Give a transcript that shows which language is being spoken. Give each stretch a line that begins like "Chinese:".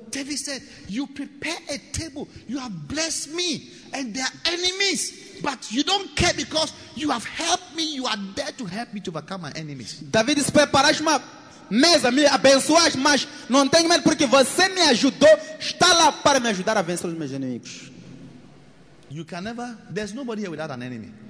English: David said, you prepare a table, you have blessed me and their enemies, but you don't care because you have helped me, you are there to help me to overcome my enemies.
Portuguese: David disse, preparaste uma mesa, me abençoaste, mas não tenho medo porque você me ajudou, está lá para me ajudar a vencer os meus inimigos.
English: You can never, there's nobody here without an enemy.